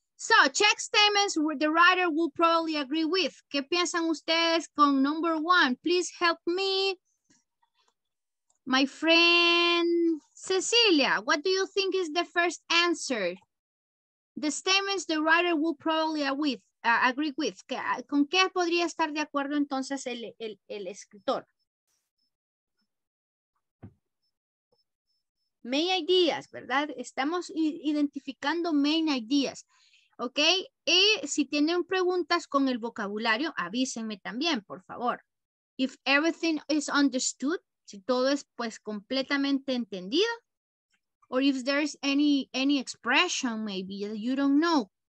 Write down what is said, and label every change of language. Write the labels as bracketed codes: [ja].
[en] So, check statements where the writer will probably agree with. [es] ¿Qué piensan ustedes con [en] number one? Please help me. My friend Cecilia, what do you think is the first answer? The statements the writer will probably agree with. [es] ¿Con qué podría estar de acuerdo entonces el escritor? Main ideas, ¿verdad? Estamos identificando main ideas. ¿Ok? Y si tienen preguntas con el vocabulario, avísenme también, por favor. [en] If everything is understood, [es] si todo es pues completamente entendido, [en] or if there's any expression maybe that you don't know.